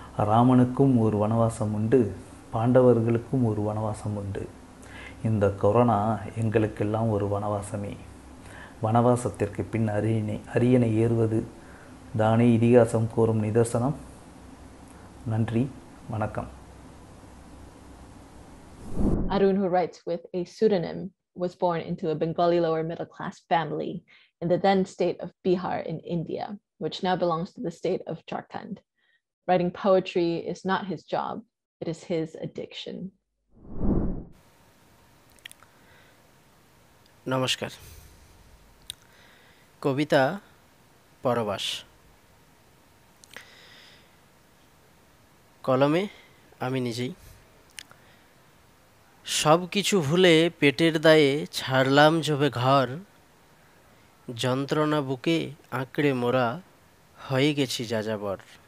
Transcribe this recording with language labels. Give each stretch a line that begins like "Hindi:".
Tamil: ராமனுக்கும் ஒரு வனவாசம் உண்டு பாண்டவர்களுக்கும் ஒரு வனவாசம் உண்டு இந்த கொரோனா எங்களுக்கெல்லாம் ஒரு வனவாசமே வனவாசத்திற்கு பின் அரியணை ஏறுவது தானே இதிகாசம் கூறும் நிதர்சனம் நன்றி வணக்கம்
English: Arun who writes with a pseudonym was born into a Bengali lower middle class family in the then state of Bihar in India which now belongs to the state of Jharkhand writing poetry is not his job it is his addiction
Bangla: নমস্কার কবিতা পরবাস কলমে আমি নিজেই সব কিছু ভুলে পেটের দায়ে ছাড়লাম জবে ঘর যন্ত্রণা বুকে আঁকড়ে মোরা হয়ে গেছি যাযাবর